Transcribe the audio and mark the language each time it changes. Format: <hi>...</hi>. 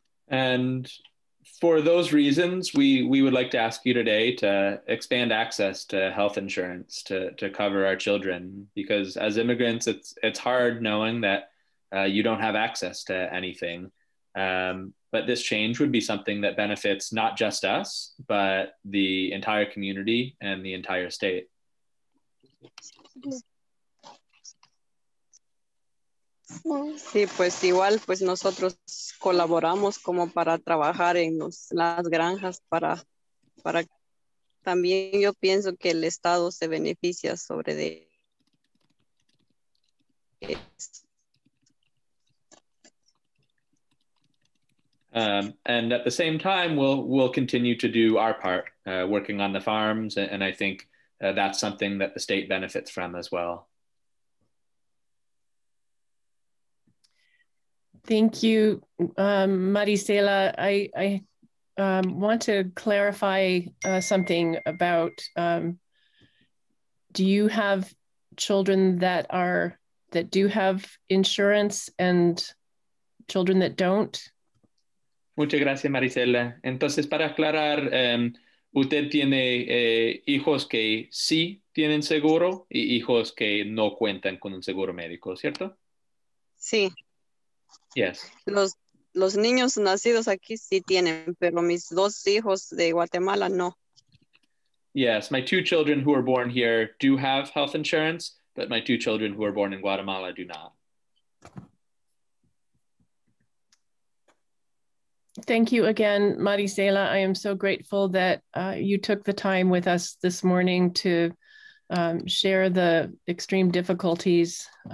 <en>And for those reasons, we would like to ask you today to expand access to health insurance to cover our children, because as immigrants, it's hard knowing that you don't have access to anything. But this change would be something that benefits not just us, but the entire community and the entire state.</en> <es>Sí, pues igual, pues nosotros colaboramos como para trabajar en las granjas para también yo pienso que el Estado se beneficia sobre de</es> <en>And at the same time, we'll continue to do our part working on the farms, and I think that's something that the state benefits from as well. Thank you, Marisela. I want to clarify something about, do you have children that do have insurance and children that don't?</en> <es>Muchas gracias, Marisela. Entonces, para aclarar, usted tiene hijos que sí tienen seguro y hijos que no cuentan con un seguro médico, ¿cierto? Sí.</es> <en>Yes.</en> <es>Los niños nacidos aquí sí tienen, pero mis dos hijos de Guatemala no.</es> <en>Yes, my two children who were born here do have health insurance, but my two children who were born in Guatemala do not. Thank you again, Marisela. I am so grateful that you took the time with us this morning to share the extreme difficulties.</en>